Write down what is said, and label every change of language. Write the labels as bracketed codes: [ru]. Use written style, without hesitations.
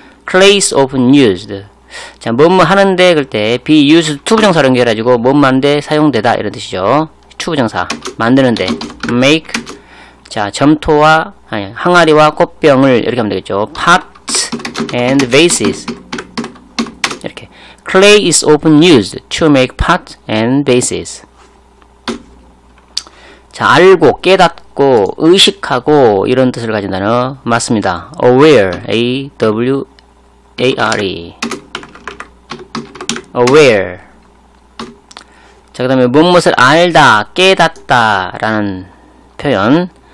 [en] clays often used. [ko] 자, 뭐뭐 하는데 그럴 때 [en] be used to [ko] 부정사로 연결해가지고 뭐뭐 하는데 사용되다 이런 뜻이죠. to 부정사. 만드는데. make. 자, 점토와, 아니, 항아리와 꽃병을 이렇게 하면 되겠죠. [en] pots and vases. 이렇게. clay is often used to make pots and vases. [ko] 자, 알고, 깨닫고, 의식하고, 이런 뜻을 가진 단어. 맞습니다. [en] aware. A-W-A-R-E. aware. [ko] 자, 그 다음에, 무엇을 알다, 깨닫다, 라는 표현.